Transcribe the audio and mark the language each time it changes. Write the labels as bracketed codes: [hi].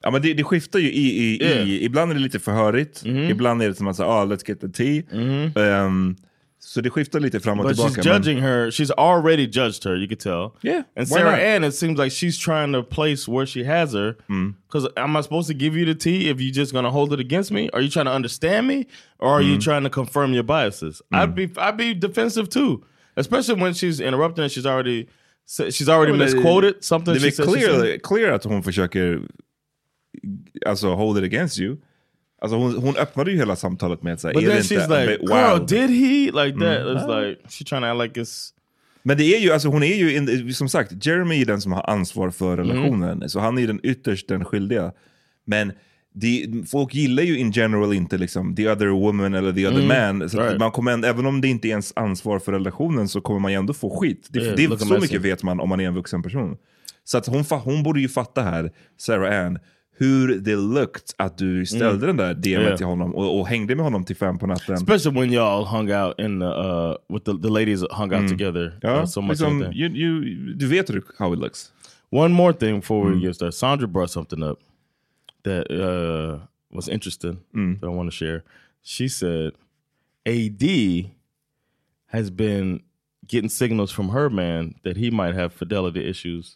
[sv] Ja, men det skiftar ju ibland är det lite förhörigt. Mm-hmm. Ibland är det som att säga, [en] let's get the tea. Mm-hmm. [sv] Så det skiftar lite fram och [en] but [sv] tillbaka. [en] But she's judging her. She's already judged her, you could tell. Yeah. And Sarah Ann, it seems like she's trying to place where she has her. Because am I supposed to give you the tea if you're just going to hold it against me? Are you trying to understand me? Or are you trying to confirm your biases? Mm. I'd be defensive too. Especially when she's interrupting and she's already misquoted something. [sv] Det är clear att hon försöker [en] hold it against you. [sv] Alltså hon öppnade ju hela samtalet med att säga, [en] but then she's like, girl, did he? Like that. It's like, she's trying to act like it's... [sv] Men det är ju, alltså hon är ju in, som sagt, Jeremy är den som har ansvar för relationen. Så han är den ytterst den skyldiga. Men folk gillar ju [en] in general [sv] inte liksom [en] the other woman [sv] eller [en] the other man. [sv] Så [en] right. [sv] Man kommer, även om det inte är ens ansvar för relationen, så kommer man ju ändå få skit. Så mycket vet man om man är en vuxen person. Så att hon borde ju fatta här, Sarah Ann, hur det lukt att du ställde den där DM till honom och hängde med honom till fem på natten. [en] Especially when y'all hung out in the with the ladies hung out together. [sv] Ja, [en] so much [sv] liksom, du vet [en] how it looks. One more thing before we get started. Sandra brought something up that was interesting that I want to share. She said AD has been getting signals from her man that he might have fidelity issues.